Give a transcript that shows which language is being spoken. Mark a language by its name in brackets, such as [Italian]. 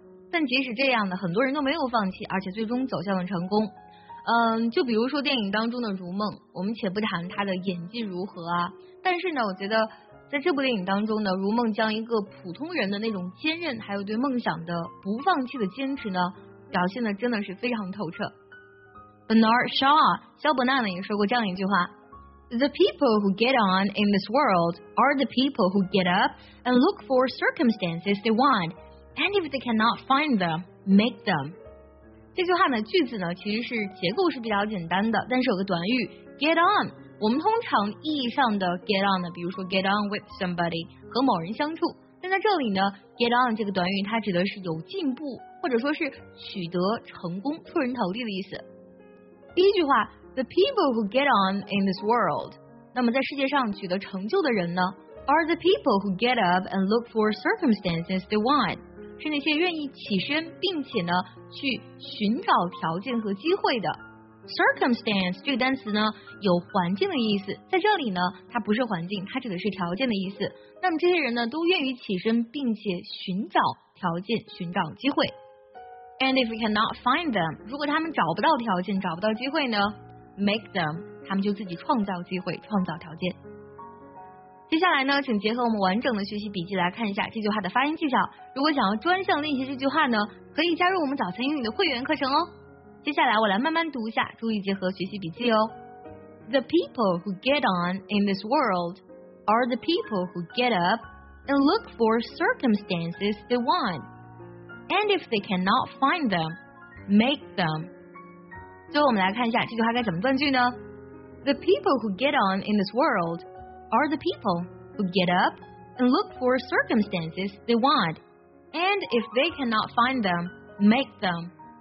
[Chinese] 但即使这样呢，很多人都没有放弃，而且最终走向了成功。就比如说电影当中的如梦，我们且不谈他的演技如何啊，但是呢，我觉得在这部电影当中呢，如梦将一个普通人的那种坚韧，还有对梦想的不放弃的坚持呢，表现的真的是非常透彻。 [English] Bernard Shaw, [Chinese] 肖伯纳呢也说过这样一句话， [English] The people who get on in this world are the people who get up and look for circumstances they want, and if they cannot find them, make them. [Chinese] 这句话呢句子呢其实是结构是比较简单的，但是有个短语 get on, 我们通常意义上的 get on 呢，比如说 [English] get on with somebody, [Chinese] 和某人相处，但在这里呢 get on 这个短语它指的是有进步，或者说是取得成功，出人头地的意思。第一句话 [English] The people who get on in this world， [Chinese] 那么在世界上取得成就的人呢 [English] are the people who get up and look for circumstances they want， [Chinese] 是那些愿意起身并且呢去寻找条件和机会的。 circumstance 这个单词呢有环境的意思，在这里呢它不是环境，它指的是条件的意思。那么这些人呢都愿意起身并且寻找条件，寻找机会。 [English] And if you cannot find them, [Chinese] 如果他们找不到条件，找不到机会呢 , [English] make them, [Chinese] 他们就自己创造机会，创造条件。接下来呢，请结合我们完整的学习笔记来看一下这句话的发音技巧。如果想要专项练习这句话呢，可以加入我们早餐英语的会员课程哦。接下来我来慢慢读一下，注意结合学习笔记哦。 [English] The people who get on in this world are the people who get up and look for circumstances they want. And if they cannot find them, make them. [Chinese] 最后我们来看一下这句话该怎么断句呢？ [English] The people who get on in this world are the people who get up and look for circumstances they want. And if they cannot find them, make them.